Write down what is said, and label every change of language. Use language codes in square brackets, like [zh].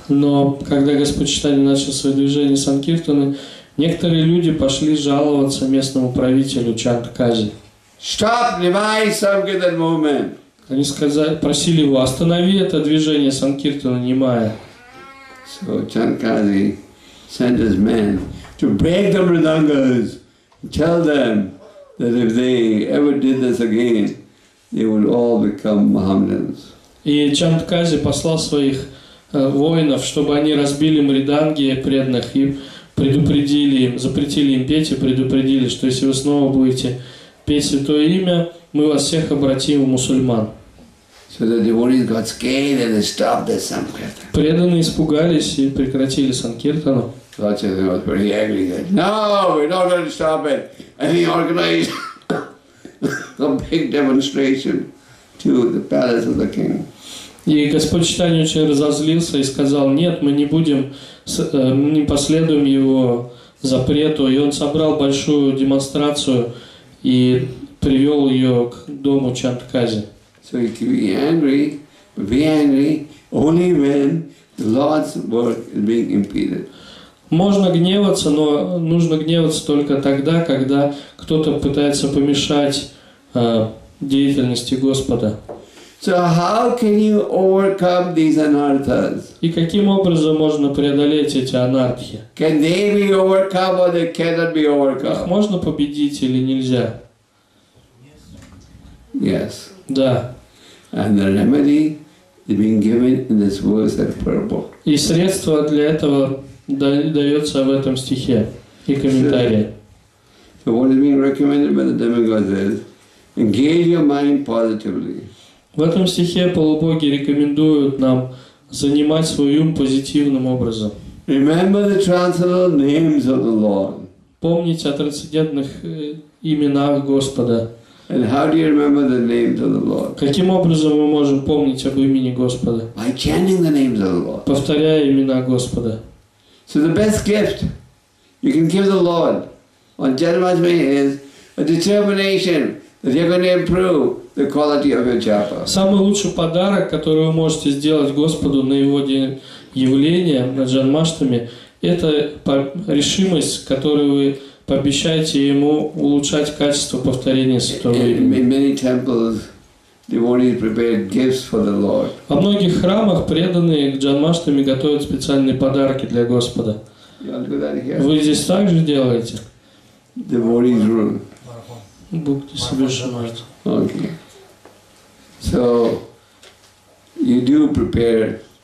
[ru] Но когда Господь Читания начал свое движение Санкиртаны, некоторые люди пошли жаловаться местному правителю Чанкази. [en] Stop Nimai Sankirtan movement. [ru] Они сказали, просили его, останови это движение Санкиртана Нимая. [en] So Chankasi sent his men to break the mridangas, tell them that if they ever did this again, they would all become Mohammedans. [ru] И Чанкази послал своих воинов, чтобы они разбили мриданги преданных и предупредили им, запретили им петь и предупредили, что если вы снова будете петь святое имя, мы вас всех обратим в мусульман. [en] So the devotees got scared and they stopped the sankirtan. [ru] Преданные испугались и прекратили санкиртану. [en] Lord Chaitanya was very angry. No, we're not going to stop it. And he organized a big demonstration to the palace of the king. [ru] И Господь Читания очень разозлился и сказал: нет, мы не будем, мы не последуем его запрету. И он собрал большую демонстрацию и привел ее к дому Чанткази. [en] So he could be angry, only when God's work is being impeded. [ru] Можно гневаться, но нужно гневаться только тогда, когда кто-то пытается помешать деятельности Господа. [en] So how can you overcome these anarthas? [ru] И каким образом можно преодолеть эти анархии? [en] Can they be overcome or they cannot be overcome? [ru] Их можно победить или нельзя? [en] Yes. [ru] Да. [en] And the remedy is being given in this verse and parable. [ru] И средство для этого дается в этом стихе и комментарии. [en] So what is being recommended by the demigods is engage your mind positively. [ru] В этом стихе полубоги рекомендуют нам занимать свой ум позитивным образом. [en] Remember the transcendental names of the Lord. [ru] Помнить о трансцендентных именах Господа. [en] And how do you remember the names of the Lord? [ru] Каким образом мы можем помнить об имени Господа? [en] By chanting the names of the Lord. [ru] Повторяя имена Господа. [en] So the best gift you can give the Lord on Janmashtami is a determination that you're going to improve the quality of your japa. [ru] Самый лучший подарок, который вы можете сделать Господу на его день явления на Джанмаштами, это решимость, которую вы пообещаете ему улучшать качество повторения святого имени. [en] In many temples, devotees prepare gifts for the Lord. [ru] Во многих храмах преданные к Джанмаштами готовят специальные подарки для Господа. Вы здесь также делаете? [en] Devotees room. Будьте себе шумать. Okay. So you do prepare.